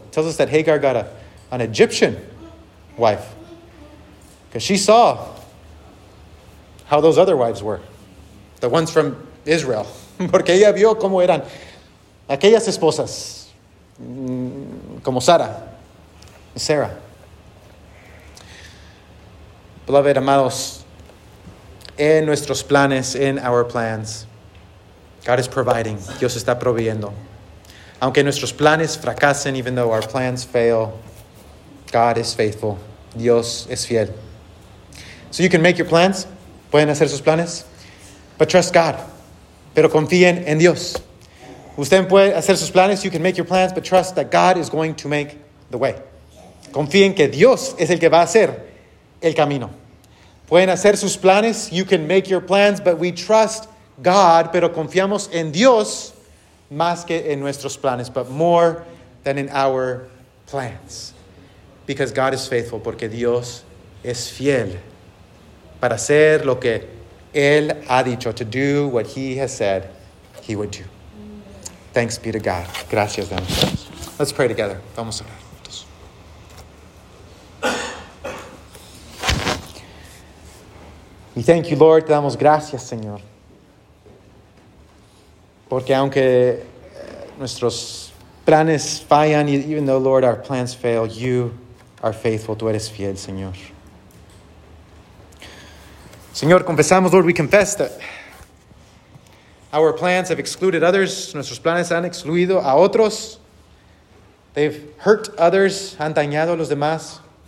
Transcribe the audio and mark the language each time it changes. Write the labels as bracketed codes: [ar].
[en] It tells us that Hagar got an Egyptian wife, because she saw how those other wives were, the ones from Israel. [es] Porque ella vio cómo eran aquellas esposas, como Sara, Sarah. [en] Beloved, amados, [es] en nuestros planes, [en] in our plans, God is providing. [es] Dios está proveyendo. Aunque nuestros planes fracasen, [en] even though our plans fail, God is faithful. [es] Dios es fiel. [en] So you can make your plans. [es] Pueden hacer sus planes. [en] But trust God. [es] Pero confíen en Dios. Usted puede hacer sus planes. [en] You can make your plans. But trust that God is going to make the way. [es] Confíen que Dios es el que va a hacer el camino. Pueden hacer sus planes. [en] You can make your plans. But we trust God. [es] Pero confiamos en Dios más que en nuestros planes. [en] But more than in our plans. Because God is faithful, [es] porque Dios es fiel para hacer lo que Él ha dicho, [en] to do what He has said He would do. Thanks be to God. [es] Gracias, Dios. [en] Let's pray together. [es] Vamos a orar juntos. [en] We thank you, Lord. [es] Te damos gracias, Señor. Porque aunque nuestros planes fallan, [en] even though, Lord, our plans fail, you are faithful. [es] Tú eres fiel, Señor. Señor, confesamos, [en] Lord, we confess that our plans have excluded others. [es] Nuestros planes han excluido a otros. [en] They've hurt others, [es] han dañado a los demás.